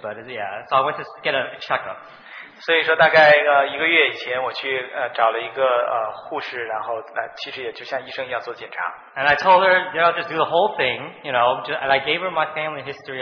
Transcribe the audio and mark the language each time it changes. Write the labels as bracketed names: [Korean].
[English] But yeah, so I went to get a checkup. [Chinese] 所以说大概一个月以前我去找了一个护士，然后其实也就像医生一样做检查。 [English] And I told her, you know, just do the whole thing, you know, and I gave her my family history.